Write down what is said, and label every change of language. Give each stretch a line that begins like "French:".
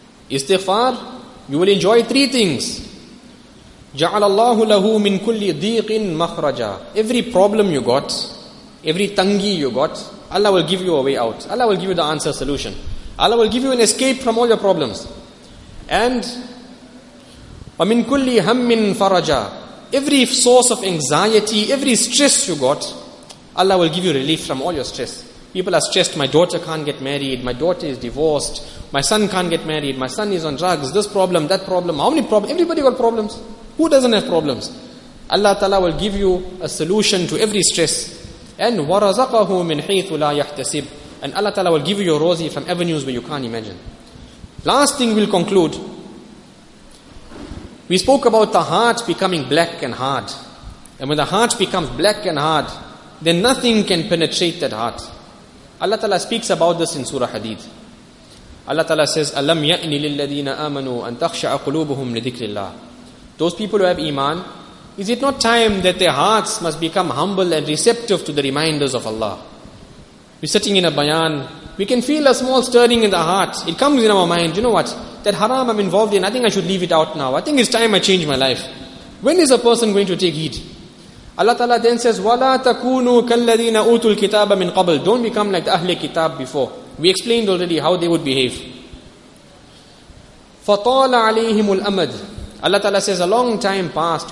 English: Istighfar, you will enjoy three things.
Arabic: جَعَلَ اللَّهُ لَهُ مِن كُلِّ دِيقٍ مَخْرَجًا.
English: Every problem you got, every tangi you got, Allah will give you a way out. Allah will give you the answer, solution. Allah will give you an escape from all your problems.
Arabic: And وَمِن كُلِّ هَمٍ فَرَجًا.
English: Every source of anxiety, every stress you got, Allah will give you relief from all your stress. People are stressed. My daughter can't get married. My daughter is divorced. My son can't get married. My son is on drugs. This problem, that problem. How many problems? Everybody got problems. Who doesn't have problems? Allah Ta'ala will give you a solution to every stress.
Arabic: And وَرَزَقَهُ مِنْ حَيْثُ لَا يَحْتَسِبُ.
English: And Allah Ta'ala will give you your rosy from avenues where you can't imagine. Last thing we'll conclude. We spoke about the heart becoming black and hard. And when the heart becomes black and hard, then nothing can penetrate that heart. Allah Ta'ala speaks about this in Surah Hadid. Allah Ta'ala says,
Arabic: أَلَمْ يَأْنِ لِلَّذِينَ آمَنُوا أَن تَخْشَعَ قُلُوبُهُمْ لِذِكْرِ اللَّهِ.
English: Those people who have iman, is it not time that their hearts must become humble and receptive to the reminders of Allah? We're sitting in a bayan, we can feel a small stirring in the heart. It comes in our mind, you know what? That haram I'm involved in, I think I should leave it out now. I think it's time I change my life. When is a person going to take heed? Allah Ta'ala then says,
Arabic: وَلَا تَكُونُوا كَالَّذِينَ أُوتُوا الْكِتَابَ مِنْ قَبْلِ.
English: Don't become like the Ahlul Kitab before. We explained already how they would behave.
Arabic: فَطَالَ عَلَيْهِمُ الْأَمَدِ.
English: Allah Ta'ala says, a long time passed.